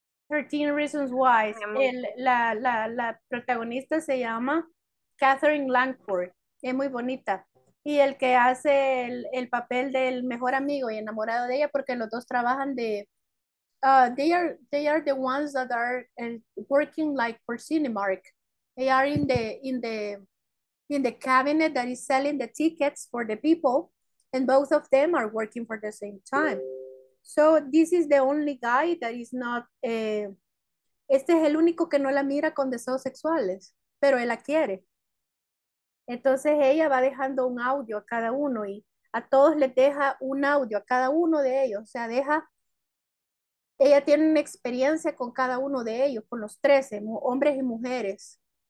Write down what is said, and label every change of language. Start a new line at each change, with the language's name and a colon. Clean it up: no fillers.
Spanish: 13 Reasons Why. La protagonista se llama Catherine Langford. Es muy bonita. Y el que hace el papel del mejor amigo y enamorado de ella, porque los dos trabajan de...
English: They are the ones that are working like for Cinemark. They are in the cabinet that is selling the tickets for the people, and both of them are working for the same time. So this is the only guy that is not...
Spanish: Este es el único que no la mira con deseos sexuales, pero él la quiere. Entonces ella va dejando un audio a cada uno y a todos les deja un audio a cada uno de ellos. O sea, ella tiene una experiencia con cada uno de ellos, con los 13, hombres y mujeres.